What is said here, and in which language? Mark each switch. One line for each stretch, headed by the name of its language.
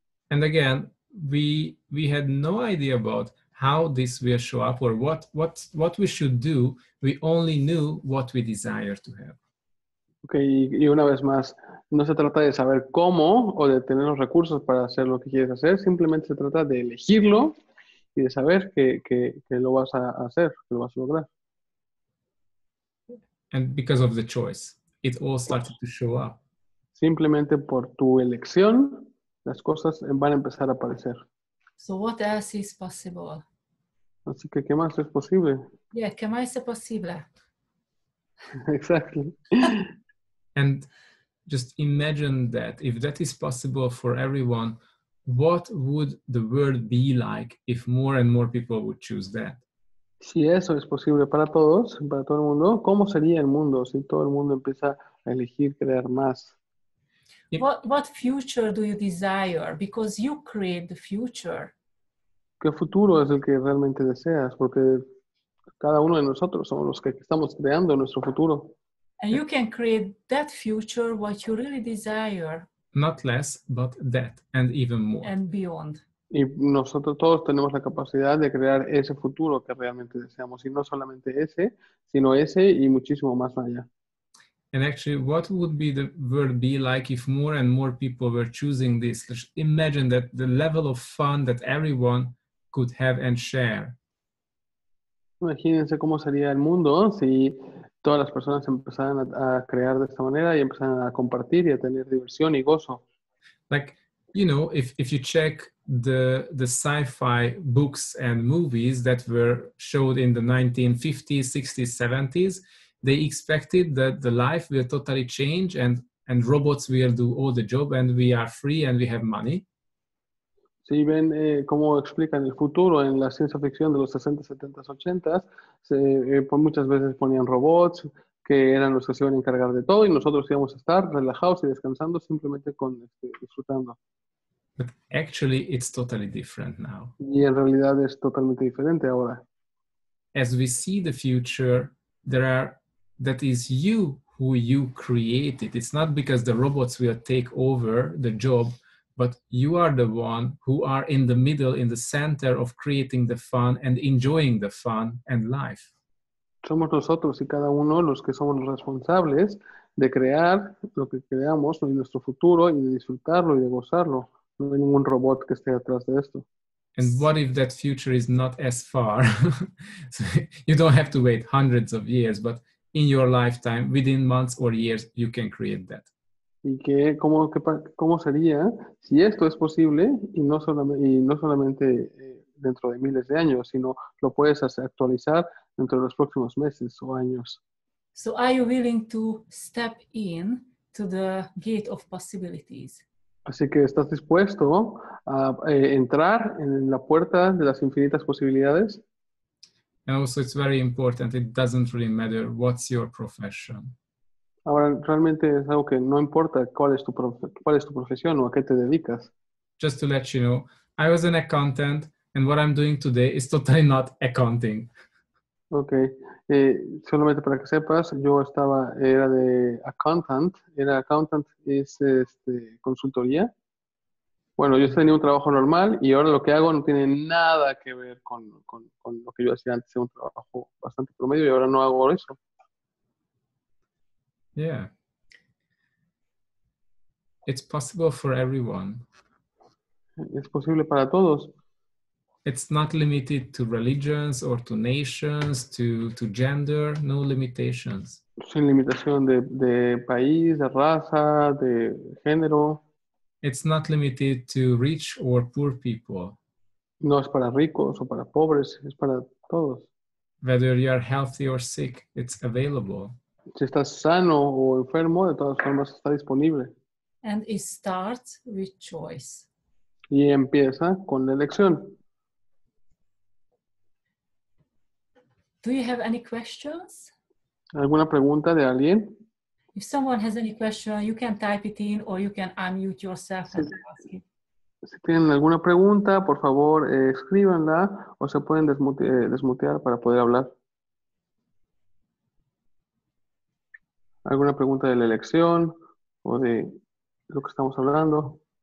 English: And again, we had no idea about how this will show up or what we should do. We only knew what we desire to have.
Spanish: Okay, y una vez más, no se trata de saber cómo o de tener los recursos para hacer lo que quieres hacer, simplemente se trata de elegirlo y de saber que lo vas a hacer, que lo vas a lograr.
English: And because of the choice, it all started to show up.
Spanish: Simplemente por tu elección, las cosas van a empezar a aparecer.
English: So what else is possible?
Spanish: Así que, ¿qué más es posible? Yeah, ¿qué más es posible?
English: Exactly. And just imagine that, if that is possible for everyone, what would the world be like if more and more people would choose that?
Spanish: Si eso es posible para todos, para todo el mundo, ¿cómo sería el mundo si todo el mundo empieza a elegir crear más?
English: What future do you desire? Because you create the future.
Spanish: ¿Qué futuro es el que realmente deseas? Porque cada uno de nosotros somos los que estamos creando nuestro futuro.
English: And you can create that future, what you really desire. Not less, but that, and even more. And beyond.
Spanish: Y nosotros todos tenemos la capacidad de crear ese futuro que realmente deseamos. Y no solamente ese, sino ese y muchísimo más allá.
English: And actually, what would be the world be like if more and more people were choosing this? Just imagine that the level of fun that everyone could have and share.
Spanish: Imagínense cómo sería el mundo si todas las personas empezaran a crear de esta manera y empezaran a compartir y a tener diversión y gozo.
English: Like, you know, if you check the sci-fi books and movies that were showed in the 1950s, 60s, 70s, they expected that the life will totally change and robots will do all the job and we are free and we have money.
Spanish: Si ven cómo explican el futuro en la ciencia ficción de los 60, 70, 80, muchas veces ponían robots que eran los que se iban a encargar de todo y nosotros íbamos a estar relajados y descansando simplemente con disfrutando.
English: But actually, it's totally different now.
Spanish: Y en realidad es totalmente diferente ahora.
English: As we see the future, that is you who you created. It's not because the robots will take over the job, but you are the one who are in the middle, in the center of creating the fun and enjoying the fun and life.
Spanish: Somos nosotros y cada uno los que somos los responsables de crear lo que creamos en nuestro futuro y de disfrutarlo y de gozarlo. No hay ningún robot que esté atrás de esto.
English: And what if that future is not as far? So you don't have to wait hundreds of years, but in your lifetime, within months or years, you can create that.
Spanish: Y que cómo sería si esto es posible y no solamente dentro de miles de años, sino lo puedes hacer actualizar dentro de los próximos meses o años.
English: So are you willing to step in to the gate of possibilities?
Spanish: Así que ¿estás dispuesto a entrar en la puerta de las infinitas posibilidades?
English: And also it's very important, it doesn't really matter what's your profession.
Spanish: Ahora realmente es algo que no importa cuál es tu profesión o a qué te dedicas.
English: Just to let you know, I was an accountant and what I'm doing today is totally not accounting.
Spanish: Okay, solamente para que sepas, yo era de accountant. Era accountant es consultoría. Bueno, yo tenía un trabajo normal y ahora lo que hago no tiene nada que ver con lo que yo hacía antes. Era un trabajo bastante promedio y ahora no hago eso.
English: Yeah. It's possible for everyone.
Spanish: Es posible para todos.
English: it's not limited to religions or to nations, to gender, no limitations.
Spanish: Sin limitación de país, de raza, de género.
English: It's not limited to rich or poor people.
Spanish: No es para ricos o para pobres, es para todos.
English: Whether you are healthy or sick, it's available.
Spanish: Si estás sano o enfermo, de todas formas está disponible.
English: And it starts with choice.
Spanish: Y empieza con la elección.
English: Do you have any questions?
Spanish: ¿Alguna pregunta de alguien?
English: If someone has any question, you can type it in or you can unmute yourself and ask it.
Spanish: Si tienen alguna pregunta, por favor, escríbanla o se pueden desmutear para poder hablar. ¿Alguna pregunta de la elección o de lo que estamos hablando?